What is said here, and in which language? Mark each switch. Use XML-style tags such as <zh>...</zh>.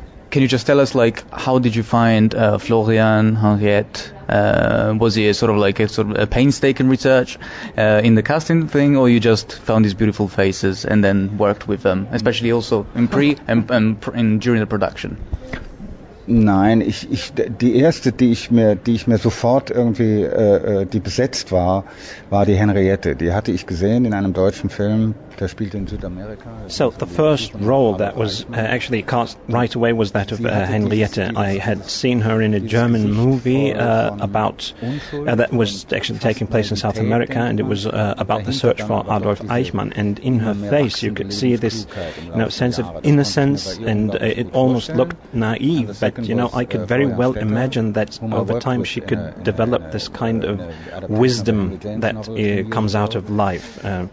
<en>Can you just tell us, like, how did you find Florian Henriette? Was he a painstaking research in the casting thing, or you just found these beautiful faces and then worked with them, especially also in pre and during the production?</en> <de>Nein, ich die erste, die ich mir sofort irgendwie die besetzt war die Henriette. Die hatte ich gesehen in einem deutschen Film. Der spielte in Südamerika.</de> <en>So the first role that was actually cast right away was that of Henriette. I had seen her in a German movie that was actually taking place in South America, and it was about the search for Adolf Eichmann. And in her face, you could see this, you know, sense of innocence, and it almost looked naive, but you know, I could very well imagine that over time she could develop this kind of wisdom that comes out of life.</en>